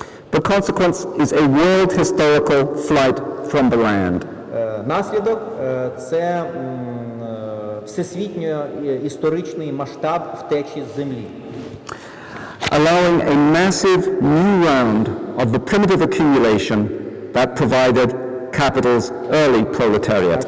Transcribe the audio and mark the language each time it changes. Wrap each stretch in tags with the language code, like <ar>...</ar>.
<en>The consequence is a world historical flight from the land.</en> <uk>Наслідок це всесвітньо історичний масштаб втечі з землі.</uk> <en>Allowing a massive new round of the primitive accumulation that provided capital's early proletariat.</en>